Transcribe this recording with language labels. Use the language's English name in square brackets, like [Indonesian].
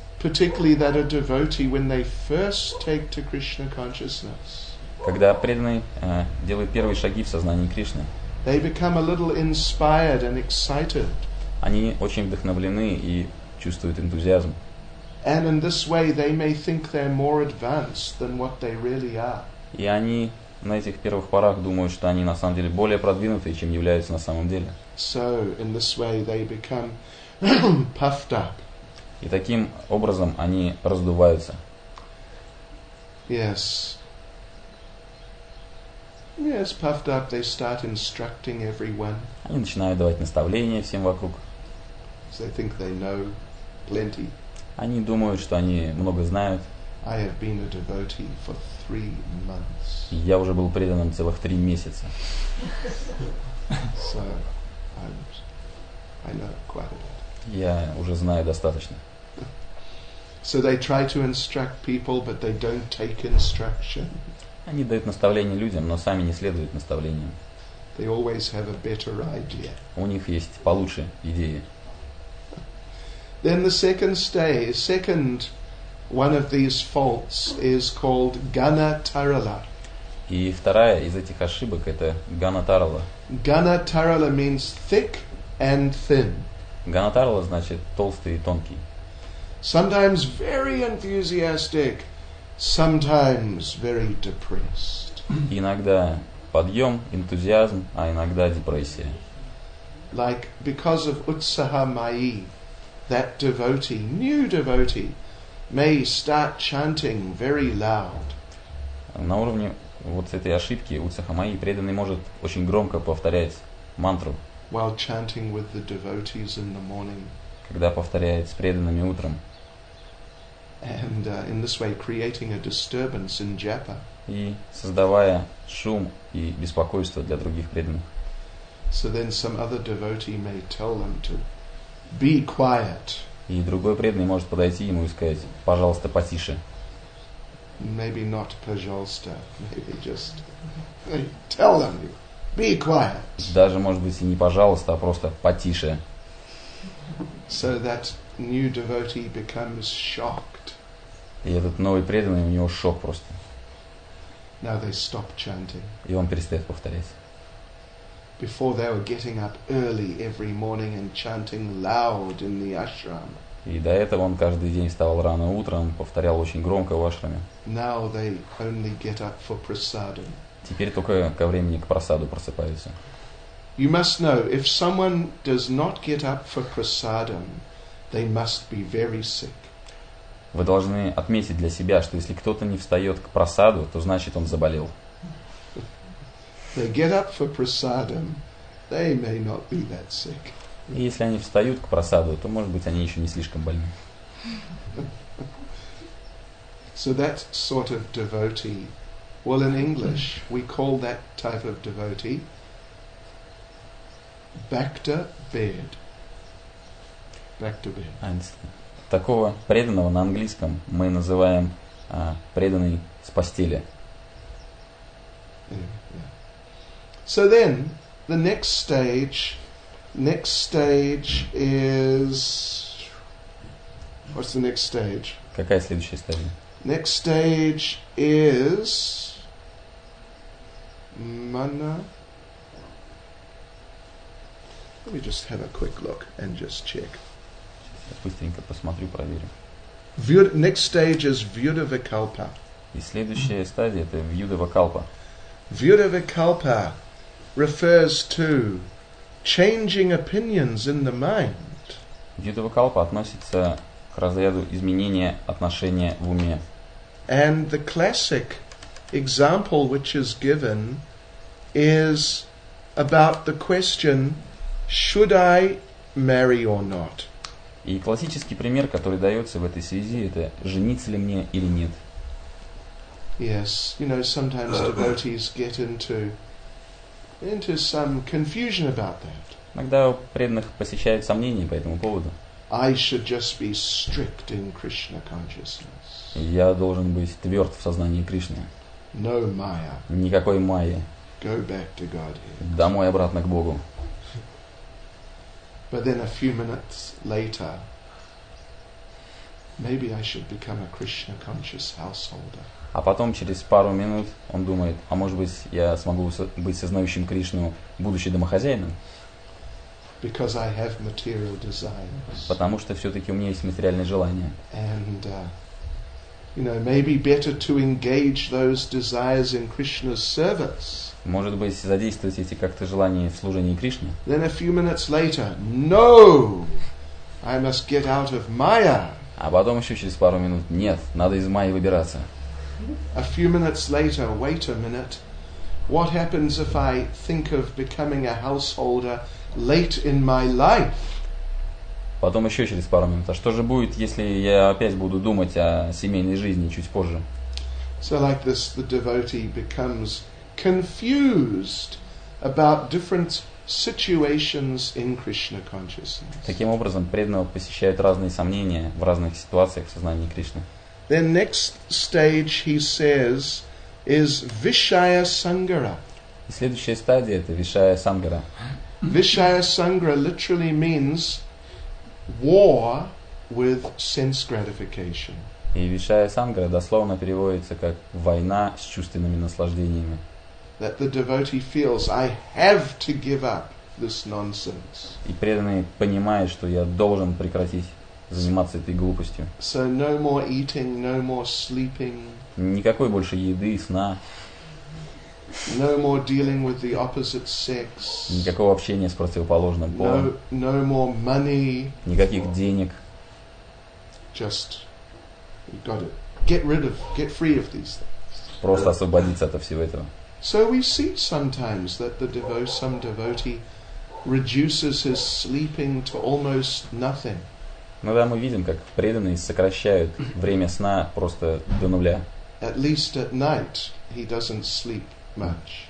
[English] Particularly that a devotee, when they first take to Krishna consciousness, [Russian] когда преданный делает первые шаги в сознании Кришны, [English] they become a little inspired and excited. [Russian] Они очень вдохновлены и чувствуют энтузиазм. [English] And in this way they may think they're more advanced than what they really are. [Russian] И они на этих первых порах думают, что они на самом деле более продвинутые, чем являются на самом деле. [English] So in this way they become puffed up. [Russian] И таким образом они раздуваются. [English] Yes. Yes, puffed up, they start instructing everyone. [Russian] Они начинают давать наставления всем вокруг. [English] They think they know plenty. [Russian] Они думают, что они много знают. [English] I have been a devotee for 3 months. [Russian] Я уже был преданным целых 3 месяца. [English] So, I know quite a bit. [Russian] Я уже знаю достаточно. [English] So they try to instruct people, but they don't take instruction. [Russian] Они дают наставления людям, но сами не следуют наставлениям. [English] They always have a better idea. [Russian] У них есть получше идеи. [English] Then the second stage, second one of these faults is called Gana Tarala. [Russian] И вторая из этих ошибок это Gana Tarala. [English] Gana Tarala means thick and thin. [Russian] Gana Tarala значит толстый и тонкий. [English] Sometimes very enthusiastic. Sometimes very depressed. [Russian] Иногда подъем, энтузиазм, а иногда депрессия. [English] Like because of utsaha mayi, that devotee, new devotee, may start chanting very loud. [Russian] На уровне вот этой ошибки utsaha mayi преданный может очень громко повторять мантру. [English] While chanting with the devotees in the morning. [Russian] Когда повторяет с преданными утром. [English] And in this way, creating a disturbance in japa. [Russian] И создавая шум и беспокойство для других преданных. [English] So then some other devotee may tell them to be quiet. [Russian] И другой преданный может подойти ему и сказать: пожалуйста, потише. [English] Maybe not [Russian] пожалуйста, [English] maybe just tell them be quiet. [Russian] Даже может быть и не пожалуйста, а просто потише. [English] So that new devotee becomes shocked. [Russian] И этот новый преданный, у него шок просто. [English] Now they stop chanting. [Russian] И он перестает повторять. [English] before they were getting up early every morning and chanting loud in the ashram. [Russian] И до этого он каждый день вставал рано утром, повторял очень громко в ашраме. [English] Now they only get up for prasadam. [Russian] Теперь только ко времени к просаду просыпаются. [English] You must know, if someone does not get up for prasadam, they must be very sick. [Russian] Вы должны отметить для себя, что если кто-то не встает к просаду, то значит он заболел. [English] They get up for prasadam, they may not be that sick. [Russian] И если они встают к просаду, то, может быть, они еще не слишком больны. [English] So that sort of devotee, well, in English, we call that type of devotee bhakta-bed. Bhakta-bed. [Russian] Такого преданного на английском мы называем преданный с постели. [English] Yeah. So then, the next stage... Next stage is... What's the next stage? [Russian] Какая следующая стадия? [English] Next stage is... Mana... Let me just have a quick look and just check. [Russian] Сейчас быстренько посмотрю, проверю. [English] Next stage is Vyudhavikalpa. [Russian] И следующая стадия — это Vyudhavikalpa. [English] Vyudhavikalpa refers to... Changing opinions in the mind. [Russian] Vyudhavikalpa относится к разряду изменения отношения в уме. [English] And the classic example which is given is about the question, should I marry or not? [Russian] И классический пример, который дается в этой связи, это жениться ли мне или нет. [English] Yes, you know, sometimes devotees get into some confusion about that. [Russian] Иногда у преданных посещают сомнения по этому поводу. [English] I should just be strict in Krishna consciousness. [Russian] Я должен быть тверд в сознании Кришны. [English] No Maya. [Russian] Никакой Майи. [English] Go back to Godhead. [Russian] Домой обратно к Богу. [English] But then a few minutes later, maybe I should become a Krishna conscious householder. [Russian] А потом, через пару минут, он думает, а может быть, я смогу быть сознающим Кришну, будучи домохозяином? [English] Because I have material desires. [Russian] Потому что все-таки у меня есть материальные желания. [English] And, you know, maybe better to engage those desires in Krishna's service. [Russian] Может быть, задействовать эти как-то желания в служении Кришне? [English] Then a few minutes later, no, I must get out of Maya. [Russian] А потом еще через пару минут, нет, надо из Майи выбираться. [English] A few minutes later, wait a minute, what happens if I think of becoming a householder late in my life? [Russian] Потом еще через пару минут, а что же будет, если я опять буду думать о семейной жизни чуть позже? [English] So like this, the devotee becomes confused about different situations in Krishna consciousness. [Russian] Таким образом, преданного посещают разные сомнения в разных ситуациях в сознании Кришны. [English] Then next stage, he says, is Vishaya Sangara. [Russian] И следующая стадия — это Vishaya Sangara. [English] Vishaya Sangara literally means war with sense gratification. [Russian] И Vishaya Sangara дословно переводится как война с чувственными наслаждениями. [English] That the devotee feels, I have to give up this nonsense. [Russian] И преданный понимает, что я должен прекратить заниматься этой глупостью. [English] So no more eating, no more sleeping. [Russian] Никакой больше еды, сна. [English] No more dealing with the opposite sex. [Russian] Никакого общения с противоположным полом. [English] No more money. [Russian] Никаких денег. [English] Just you got it. Get rid of, get free of these things. [Russian] Просто освободиться от всего этого. [English] So we see sometimes that some devotee reduces his sleeping to almost nothing. [Russian] Ну да, мы видим, как преданные сокращают время сна просто до нуля. [English] At least at night he doesn't sleep much.